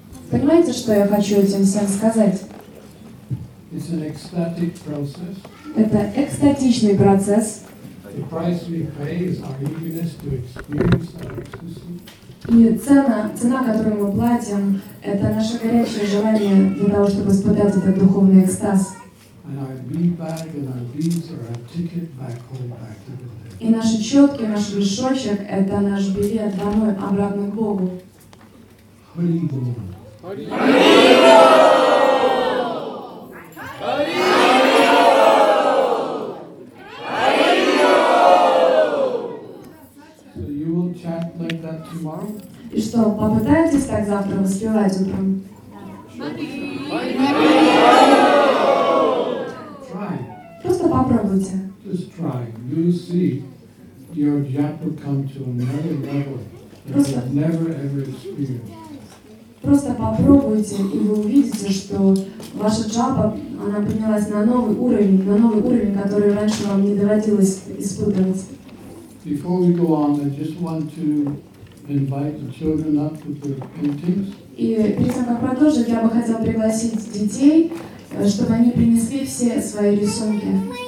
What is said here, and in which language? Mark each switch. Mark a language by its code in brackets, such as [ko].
[ru] Понимаете, что я хочу этим всем сказать? [en] It's an ecstatic process. [ru] Это экстатичный процесс. [en] The price we pay is our eagerness to experience our existence. [ru] И цена, которую мы платим, это наше горячее желание для того, чтобы испытать этот духовный экстаз. [en] And our beanbag and our beans are our ticket back home, back to the day. [ru] И наши четки, наш мешочек, это наш билет домой, обратно к Богу. [sa] Hari Bol. Hari Bol. Hari Bol. Hari [en] Bol. So you will chant like that tomorrow? [ru] И что, попытаетесь так завтра воспевать утром? [sa] Hari Bol. [en] Try. [ru] Просто попробуйте. [en] Just try. You see, your japa will come to another level that you've never ever experienced. [ru] Просто попробуйте, и вы увидите, что ваша джапа, она поднялась на новый уровень, который раньше вам не доводилось испытывать. И перед тем, как продолжить, я бы хотела пригласить детей, чтобы они принесли все свои рисунки.